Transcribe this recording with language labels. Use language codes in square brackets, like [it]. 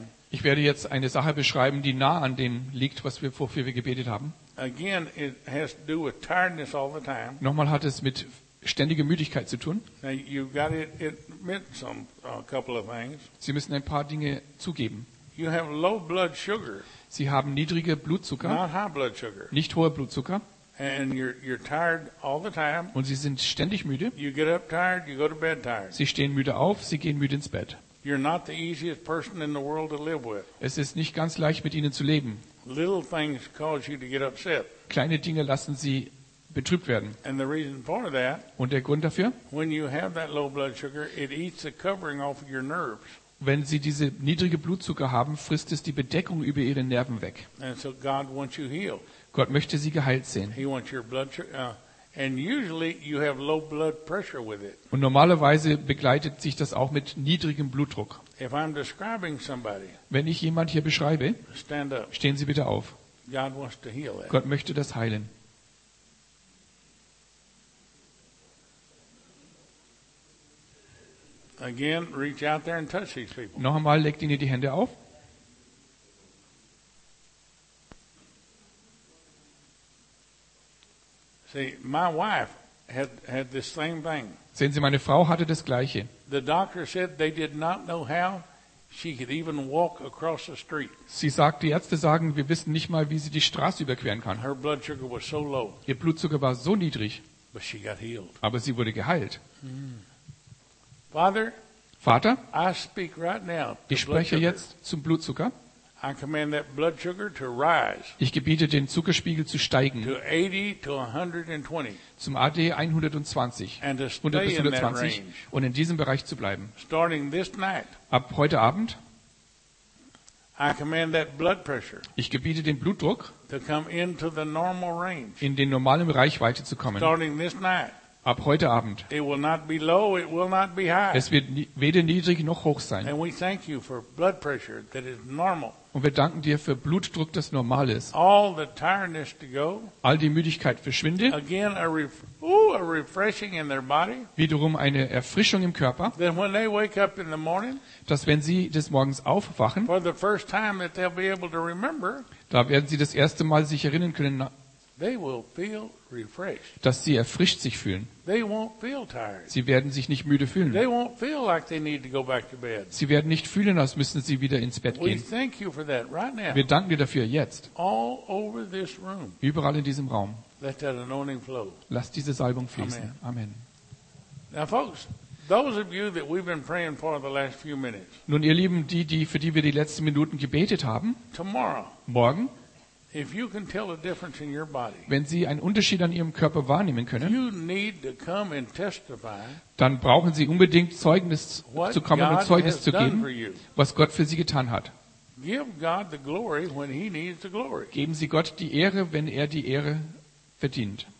[de] Ich werde jetzt eine Sache beschreiben, die nah an dem liegt, was wir, wofür wir gebetet haben. [en] Again, it has to do with tiredness all the time. [de] Nochmal hat es mit ständiger Müdigkeit zu tun. [en] Now you've got to admit some, a couple of things. [de] Sie müssen ein paar Dinge zugeben. [en] You have low blood sugar. [de] Sie haben niedrige Blutzucker, [en] not high blood sugar. [de] Nicht hoher Blutzucker. [en] And you're tired all the time. [de] Und Sie sind ständig müde. [en] You get up tired, you go to bed tired. [de] Sie stehen müde auf, Sie gehen müde ins Bett. [en] You're not the easiest person in the world to live with. [de] Es ist nicht ganz leicht, mit ihnen zu leben. [en] Little things cause you to get upset. [de] Kleine Dinge lassen sie betrübt werden. [en] And the reason for that, [de] und der Grund dafür? [en] When you have that low blood sugar, it eats the covering off of your nerves. [de] Wenn sie diese niedrige Blutzucker haben, frisst es die Bedeckung über ihre Nerven weg. [en] And so God wants you healed. [de] Gott möchte sie geheilt sehen. [en] He wants your blood sugar. And usually you have low blood pressure with it. [de] Und normalerweise begleitet sich das auch mit niedrigem Blutdruck. [en] If I'm describing somebody, [de] wenn ich jemand hier beschreibe, [en] stand up. [de] Stehen Sie bitte auf. [en] God wants to heal it. [de] Gott möchte das heilen. [en] Again, reach out there and touch these people. [de] Noch einmal, legt ihnen die Hände auf. [en] See, my wife had this same thing. [de] Sehen Sie, meine Frau hatte das Gleiche. [en] The doctor said they did not know how she could even walk across the street. [de] Sie sagt, die Ärzte sagen, wir wissen nicht mal, wie sie die Straße überqueren kann. [en] Her blood sugar was so low. [de] Ihr Blutzucker war so niedrig. [en] But she got healed. [de] Aber sie wurde geheilt. [en] Father, [de] Vater, [en] I speak right now. [de] Ich spreche jetzt zum Blutzucker. [en] I command that blood sugar to rise. [de] Ich gebiete den Zuckerspiegel zu steigen. [en] To 80 to 120. [de] Zum AD 120. [en] And to stay [de] 100 bis 120 [en] in that range. [de] Und in diesem Bereich zu bleiben. [en] Starting this night. [de] Ab heute Abend. [en] I command that blood pressure. [de] Ich gebiete den Blutdruck. [en] To come into the normal range. [de] In den normalen Bereich weiter zu kommen. [en] Starting this night. [de] Ab heute Abend. [en] It will not be low, it will not be high. [de] Es wird weder niedrig noch hoch sein. [en] And we thank you for blood pressure that is normal. [de] Und wir danken dir für Blutdruck, das normal ist. [en] All the tiredness to go. [de] All die Müdigkeit verschwinde. [en] Again, a refreshing in their body. [de] Wiederum eine Erfrischung im Körper. [en] Then when they wake up in the morning, [de] dass wenn sie des Morgens aufwachen, [en] for the first time that they'll be able to remember, [de] da werden sie das erste Mal sich erinnern können, [en] they will feel refreshed. [de] Dass sie erfrischt sich fühlen. [en] They won't feel tired. [de] Sie werden sich nicht müde fühlen. [en] They won't feel like they need to go back to bed. [de] Sie werden nicht fühlen, als müssten sie wieder ins Bett gehen. [en] We thank you for that right now. [de] Wir danken dir dafür jetzt. [en] All over this room. [de] Überall in diesem Raum. [en] Let that anointing flow. [de] Lass diese Salbung fließen. [en] Amen. Now folks, those of you that we've been praying for the last few minutes. [de] Nun ihr Lieben, die für die wir die letzten Minuten gebetet haben. [en] Tomorrow. [de] Morgen. [en] If you can tell a difference in your body, [de] wenn Sie einen Unterschied an Ihrem Körper wahrnehmen können, [en] you need to come and testify, [de] dann brauchen Sie unbedingt Zeugnis zu kommen und Zeugnis zu geben, was Gott für Sie getan hat. [en] Give God the glory when he needs the glory. [de] Geben Sie Gott die Ehre, wenn er die Ehre verdient.